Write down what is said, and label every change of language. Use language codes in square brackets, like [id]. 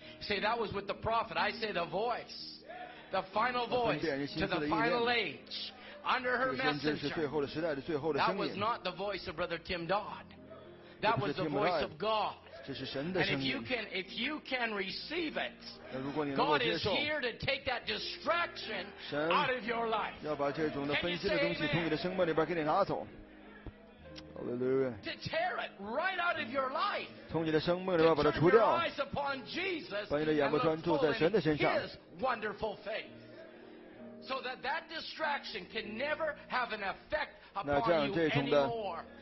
[en] Say, that was with the prophet. I say, the voice, the final voice to the final age, under her messenger. That was not the voice of Brother Tim Dodd. That was the voice of God. And if you can receive it, God is here to take that distraction out of your life. [zh] 要把这种的分心的东西从你的生命里边给你拿走。 [en] Hallelujah. To tear it right out of your life. [zh] 从你的生命里边把它除掉。把你的眼目专注在神的身上。 [en] His wonderful faith, so that that distraction can never have an effect upon you anymore.